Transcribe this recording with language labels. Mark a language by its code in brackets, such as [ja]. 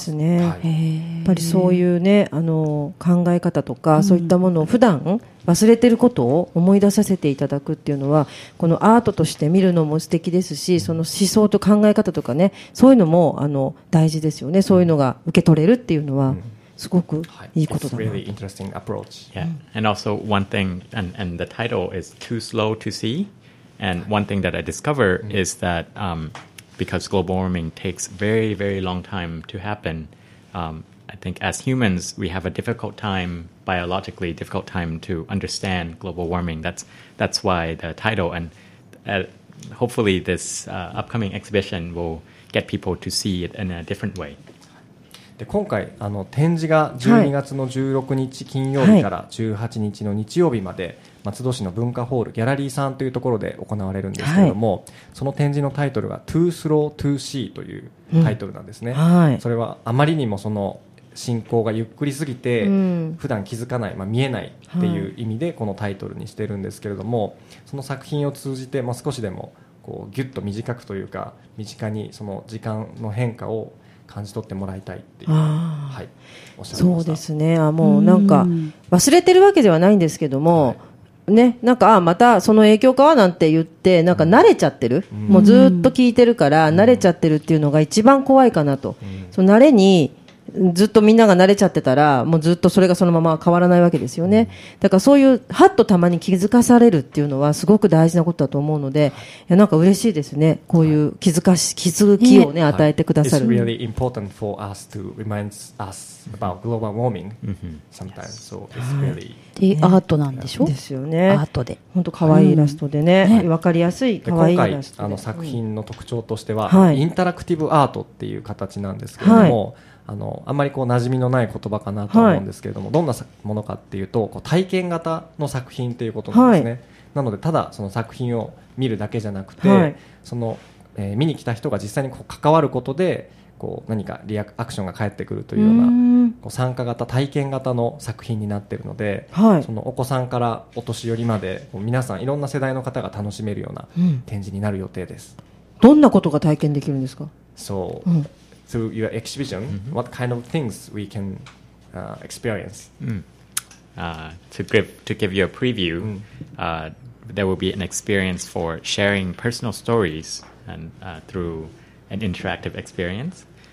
[ja] いいですね、はい、やっぱりそういうねあの考え方とかそういったものを普段、うん忘れてることを思い出させていただくっていうのはこのアートとして見るのも素敵ですしその思想と考え方とかねそういうのもあの大事ですよね。そういうのが受け取れるっていうのはすごくいいことだな。 [en] It's really interesting approach. Yeah. And also one thing and the title is Too Slow to See. And one thing that I discover is that because global warming takes very very long time to happen, I think as humans we have a difficult timebiologically difficult time to understand global warming. That's why the title and hopefully this upcoming exhibition will get people to see it in a different way. [ja] で今回あの展示が12月の16日金曜日から18日の日曜日まで、はい、松戸市の文化ホールギャラリーさんというところで行われるんですけども、はい、その展示のタイトルが Too Slow to See というタイトルなんですね、うんはい、それはあまりにもその進行がゆっくりすぎて普段気づかない、まあ、見えないっていう意味でこのタイトルにしてるんですけれども、はい、その作品を通じて、まあ、少しでもこうギュッと短くというか身近にその時間の変化を感じ取ってもらいたいっていう、はい、おっしゃいました。そうですね、あ、もうなんか忘れてるわけではないんですけども、はいね、なんかまたその影響かなんて言ってなんか慣れちゃってる、うん、もうずっと聞いてるから慣れちゃってるっていうのが一番怖いかなと、うん、その慣れにずっとみんなが慣れちゃってたらもうずっとそれがそのまま変わらないわけですよね。だからそういうハッとたまに気づかされるっていうのはすごく大事なことだと思うので、いやなんか嬉しいですね、こういう気づかし気づきをね与えてくださる。 [en] It's really important for us to remind us about global warming sometimes. So it's really [ja] でアートなんでしょ、ね、ですよね。アートで本当かわいいイラストでね、わかりやすいかわいいイラストで、今回あの作品の特徴としては、はい、インタラクティブアートっていう形なんですけれども、はい、あのあんまりこう馴染みのない言葉かなと思うんですけれども、はい、どんなものかっていうとこう体験型の作品ということなんですね、はい、なのでただその作品を見るだけじゃなくて、はい、その、見に来た人が実際にこう関わることでこう何かリアクションが返ってくるというような、こう参加型体験型の作品になっているので、はい、そのお子さんからお年寄りまでこう皆さんいろんな世代の方が楽しめるような展示になる予定です、うん、どんなことが体験できるんですか。 [en] そう、うん、through your exhibition, mm-hmm. what kind of things we can experience? To give you a preview, there will be an experience for sharing personal stories and through an interactive experience.